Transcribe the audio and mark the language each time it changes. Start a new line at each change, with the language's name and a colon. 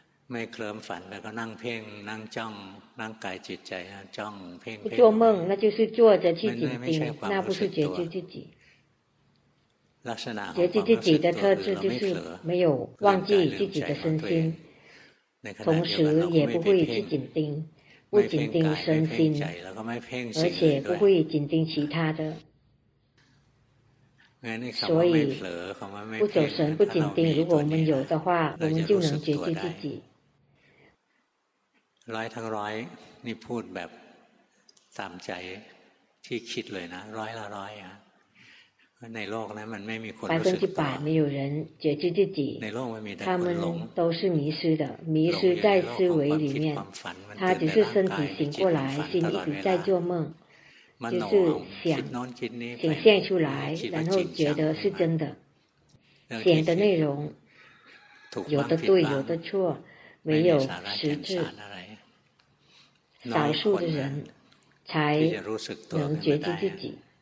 Thai: ไม่เคลิ้มฝันแล้วก็นั่งเพ่งนั่งจ้องนั่งกายจิตใจจ้องเพ่ง ไม่
Chinese: 做梦那就是坐着去紧盯那不是觉知自己
Thai: ลักษณะ
Chinese: 觉知自己的特质就是没有忘记自己的身心同时也不会去紧盯不紧盯身心而且不会紧盯其他的所以不走神不紧盯如果我们有的话我们就能觉知自己
Thai: ร้อยทั้งร้อยนี่พูดแบบตามใจที่คิดเลยนะร้อยละร้อยนะในโลกนั้นมันไม่มีคนรู้สึกตัว
Chinese: 百分之百没有人觉知自己
Thai: ในโลกมันมีแต่
Chinese: 他们都是迷失的迷失在思维里面他只是身体醒过来心一直在做梦就是想显现出来然后觉得是真的显的内容有的对有的错没有实质少数的人才能觉知自己